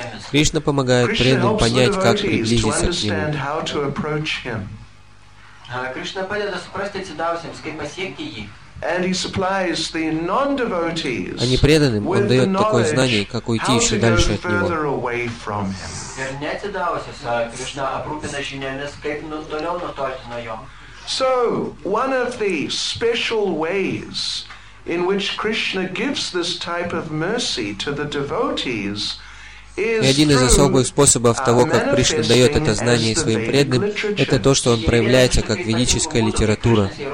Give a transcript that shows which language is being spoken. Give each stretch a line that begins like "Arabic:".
Russian: Кришна помогает преданным понять, как приблизиться к Нему. А непреданным Он дает такое знание, как уйти еще дальше от Него.
English: So one of the special ways in which Krishna gives this type of mercy to the devotees is
Russian: один из особых способов того, как Кришна дает это знание своим преданным, это то, что он проявляется как ведическая литература.